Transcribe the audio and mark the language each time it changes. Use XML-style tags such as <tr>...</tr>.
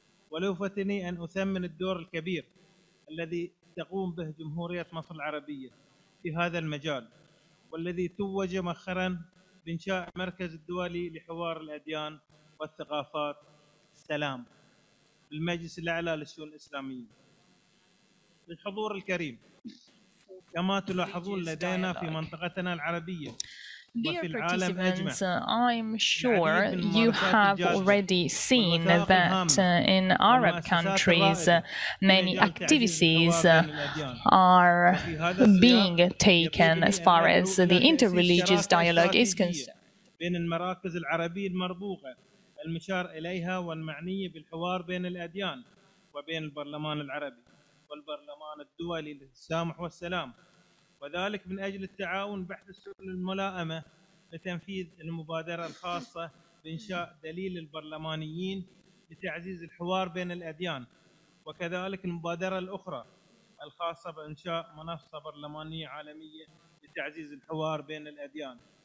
<ar>ولوفتني أن أثمن الدور الكبير الذي تقوم به جمهورية مصر العربية في هذا المجال، والذي توج مؤخراً بإنشاء مركز الدولي لحوار الأديان والثقافات السلام بالمجلس الأعلى للشؤون الإسلامية. للحضور الكريم، كما تلاحظون لدينا في منطقتنا العربية وفي العالم أجمع،</ar> <en>I'm sure you have already seen that in Arab countries many activities are being taken as far as the interreligious dialogue is concerned.</en> <ar>بين المراكز العربية المربوطة المشار إليها والمعنية بالحوار بين الأديان وبين البرلمان العربي والبرلمان الدولي للسامح والسلام، وذلك من أجل التعاون بحث السبل الملائمة لتنفيذ المبادرة الخاصة بإنشاء دليل البرلمانيين لتعزيز الحوار بين الأديان، وكذلك المبادرة الأخرى الخاصة بإنشاء منصة برلمانية عالمية لتعزيز الحوار بين الأديان.</ar>